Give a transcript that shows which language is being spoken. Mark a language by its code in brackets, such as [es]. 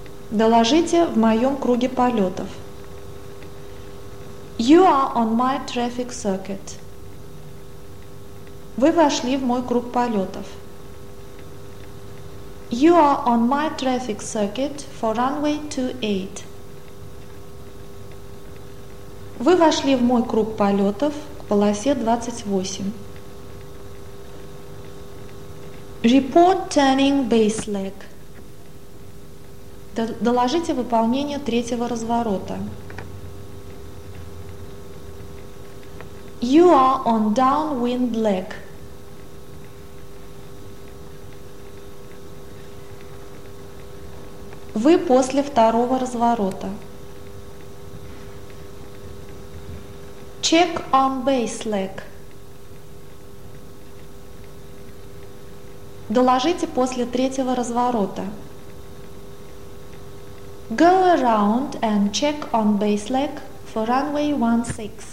[ru] Доложите в моем круге полетов. [en] You are on my traffic circuit. [ru] Вы вошли в мой круг полетов. [en] You are on my traffic circuit for runway 28. [ru] Вы вошли в мой круг полетов к полосе 28. [en] Report turning base leg. [ru] Доложите выполнение третьего разворота. [en] You are on downwind leg. [ru] Вы после второго разворота. [en] Check on base leg. [ru] Доложите после третьего разворота. [en] Go around and check on base leg for runway 16.